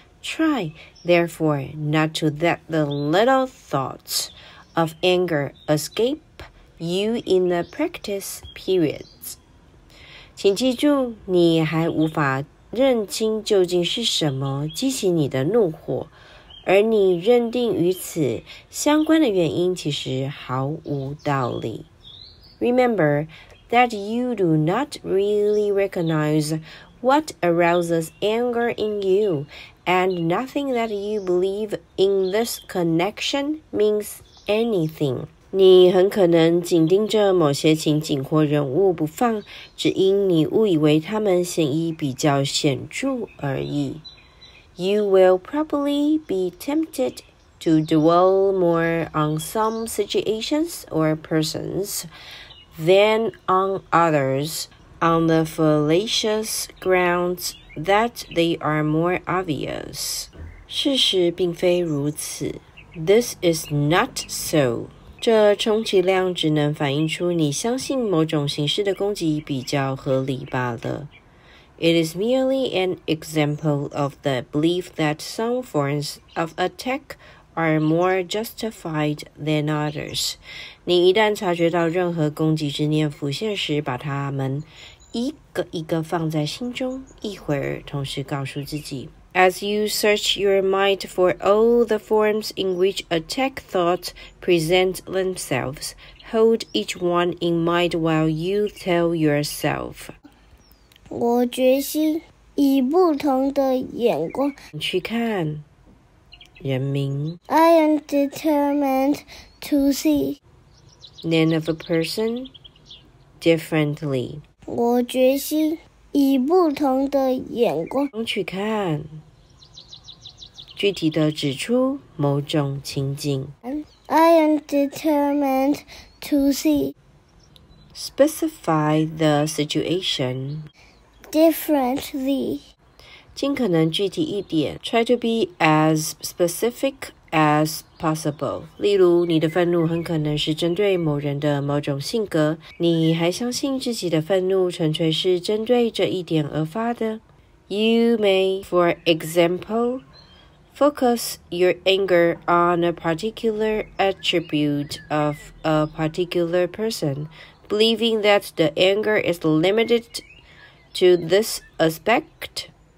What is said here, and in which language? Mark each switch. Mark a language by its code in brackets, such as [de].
[en] Try, therefore, not to let the little thoughts of anger escape you in the practice periods. [zh] 请记住，你还无法认清究竟是什么激起你的怒火，而你认定与此相关的原因其实毫无道理。 [en] Remember that you do not really recognize what arouses anger in you, and nothing that you believe in this connection means anything. [zh] 你很可能紧盯着某些情景或人物不放，只因你误以为他们嫌疑比较显著而已。 [en] You will probably be tempted to dwell more on some situations or persons than on others, on the fallacious grounds that they are more obvious. [zh] 事实并非如此。 [en] This is not so. [zh] 这充其量只能反映出你相信某种形式的攻击比较合理罢了。 [en] It is merely an example of the belief that some forms of attack are more justified than others. [zh] 你一旦察觉到任何攻击之念浮现时，把它们一个一个放在心中，一会儿同时告诉自己。 [en] As you search your mind for all the forms in which attack thoughts present themselves, hold each one in mind while you tell yourself. [zh] 我决心以不同的眼光去看人名。 [en] I am determined to see name of a person differently. [zh] 我决心以不同的眼光去看，具体的指出某种情境。 [en] I am determined to see. Specify the situation differently. [zh] 尽可能具体一点。 [en] Try to be as specific as possible. [zh] 例如，你的愤怒很可能是针对某人的某种性格。你还相信自己的愤怒纯粹是针对这一点而发的？ [en] You may, for example,Focus your anger on a particular attribute of a particular person, believing that the anger is limited to this aspect.